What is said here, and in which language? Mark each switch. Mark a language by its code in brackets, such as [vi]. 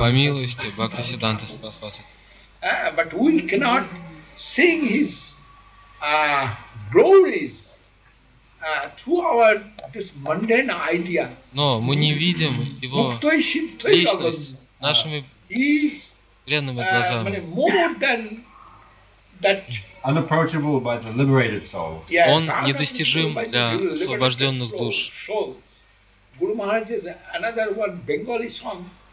[ru] По милости Бхактисиддханта спасался. [en] But we cannot sing his glories through our this mundane idea. [ru] Но мы не видим его личность нашими бренными глазами. [en] Unapproachable by the liberated soul. [ru] Он недостижим для освобожденных душ. [en] Guru Maharaj is another one Bengali song.